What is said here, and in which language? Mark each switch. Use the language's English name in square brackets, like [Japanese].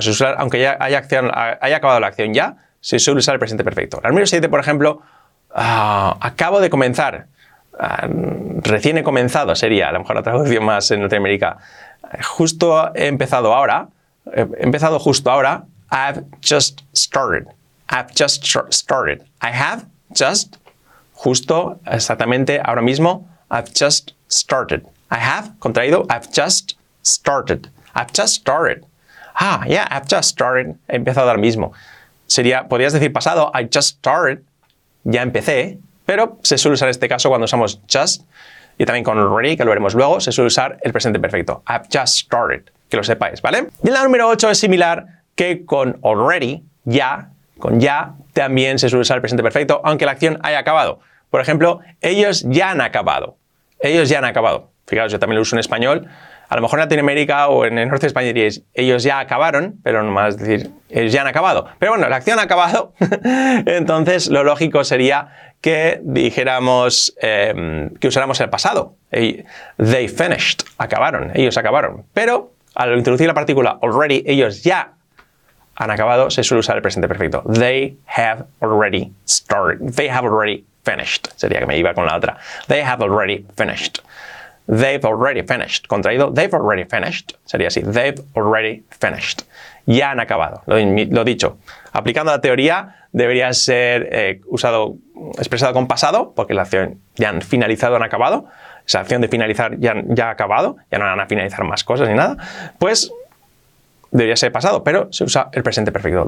[Spanish] Se suele, aunque ya haya, haya acabado la acción ya, se suele usar el presente perfecto. La número 7, por ejemplo, acabo de comenzar, recién he comenzado, sería a lo mejor la traducción más en Latinoamérica. Justo he empezado ahora, he empezado justo ahora. [English] I've just started, I've just started, I have just [Spanish] justo, exactamente, ahora mismo, [English] I've just started. I have, [Spanish] contraído, [English] I've just started. I've just started. Ah, yeah, I've just started. [Spanish] He empezado ahora mismo. Sería, podrías decir pasado, [English] I just started, [Spanish] ya empecé, pero se suele usar este caso cuando usamos just, y también con already, que lo veremos luego, se suele usar el presente perfecto. [English] I've just started, [Spanish] que lo sepáis, ¿vale? Y la número 8 es similar, que con already, ya. Con ya también se suele usar el presente perfecto, aunque la acción haya acabado. Por ejemplo, ellos ya han acabado. Ellos ya han acabado. Fijaos, yo también lo uso en español. A lo mejor en Latinoamérica o en el norte de España diríais, ellos ya acabaron, pero no más decir, ellos ya han acabado. Pero bueno, la acción ha acabado. Entonces, lo lógico sería que dijéramos, que usáramos el pasado. [English] They finished. [Spanish] Acabaron. Ellos acabaron. Pero al introducir la partícula already, ellos ya han acabado, se suele usar el presente perfecto. [English] They have already started. They have already finished. [Spanish] Sería que me iba con la otra. [English] They have already finished. They've already finished. [Spanish] Contraído, [English] they've already finished. [Spanish] Sería así. [English] They've already finished. [Spanish] Ya han acabado. Lo dicho. Aplicando la teoría, debería ser usado expresada con pasado, porque la acción ya han finalizado, han acabado. Esa acción de finalizar ya ha acabado, ya no van a finalizar más cosas ni nada. Pues debería ser pasado, pero se usa el presente perfecto.